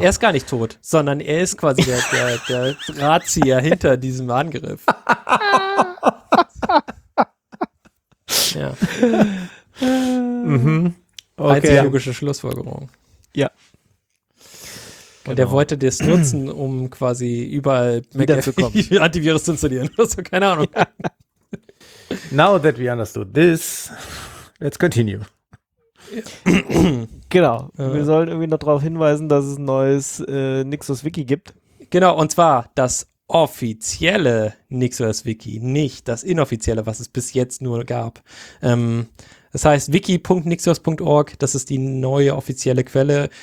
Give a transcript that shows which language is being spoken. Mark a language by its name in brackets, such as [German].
[German] Er ist gar nicht tot, sondern er ist quasi der Drahtzieher hinter diesem Angriff. Ja. Okay. Als logische Schlussfolgerung. Ja. Und genau. Er wollte das nutzen, um quasi überall wiederzukommen. Antivirus zu installieren. Also, keine Ahnung. Ja. [English] Now that we understood this, let's continue. [German] Genau. Wir sollen irgendwie noch darauf hinweisen, dass es ein neues Nixos Wiki gibt. Genau, und zwar das offizielle Nixos Wiki, nicht das inoffizielle, was es bis jetzt nur gab. Das heißt, wiki.nixos.org, das ist die neue offizielle Quelle.